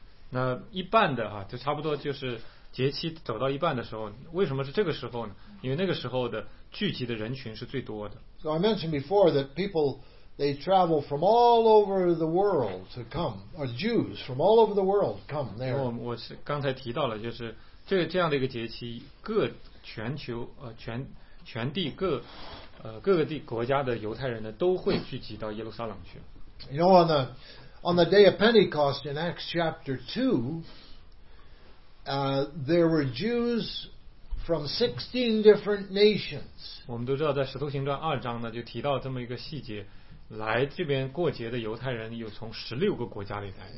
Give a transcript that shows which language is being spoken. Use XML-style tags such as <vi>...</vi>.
<zh>那一半的啊，就差不多就是节期走到一半的时候，为什么是这个时候呢？因为那个时候的聚集的人群是最多的。</zh> <en>So I mentioned before that people, they travel from all over the world to come, or Jews from all over the world come there.</en> <zh>我是刚才提到了，就是这样的一个节期，各全球全地各个地国家的犹太人呢都会聚集到耶路撒冷去。</zh> <en>You know, on the day of Pentecost in Acts chapter 2, there were Jews from 16 different nations.</en> <zh>我们都知道在使徒行传二章呢就提到这么一个细节，来这边过节的犹太人有从16个国家里来。</zh>